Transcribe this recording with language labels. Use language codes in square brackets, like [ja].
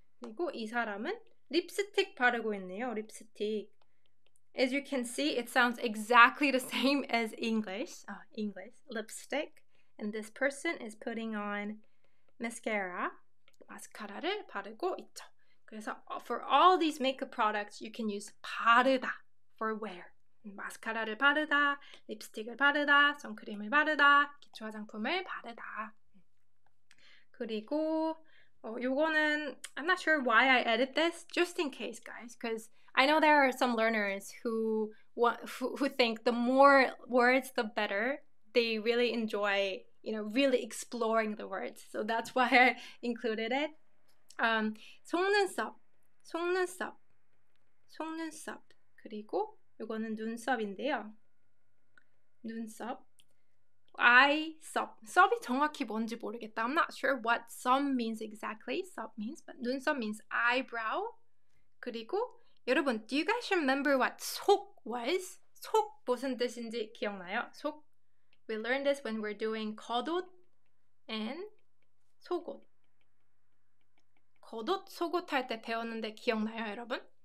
[ko] 그리고 이 사람은 립스틱 바르고 있네요, 립스틱. [en] As you can see, it sounds exactly the same as English. English, lipstick. And this person is putting on mascara. [ko] 마스카라를 바르고 있죠. 그래서 [en] for all these makeup products, you can use 바르다 for wear. [ko] 마스카라를 바르다, 립스틱을 바르다, 선크림을 바르다, 기초 화장품을 바르다. 그리고 이거는 [en] I'm not sure why I edit this, just in case, guys, because I know there are some learners who think the more words, the better. They really enjoy, you know, really exploring the words. So that's why I included it. 속눈썹, 속눈썹, 속눈썹. [ko] 그리고 이거는 눈썹인데요. 눈썹. [en] Eye sub. Sub [ko] 정확히 뭔지 모르겠다. [en] I'm not sure what sub means exactly. Sub means, but 눈썹 means eyebrow. [ko] 그리고 여러분, [en] do you guys remember what 속 was? [ko] 속 무슨 뜻인지 기억나요? 속. [en] We learned this when we're doing 겉옷 and 속옷. [ko] 겉옷, 속옷 할 때 배웠는데 기억나요, 여러분?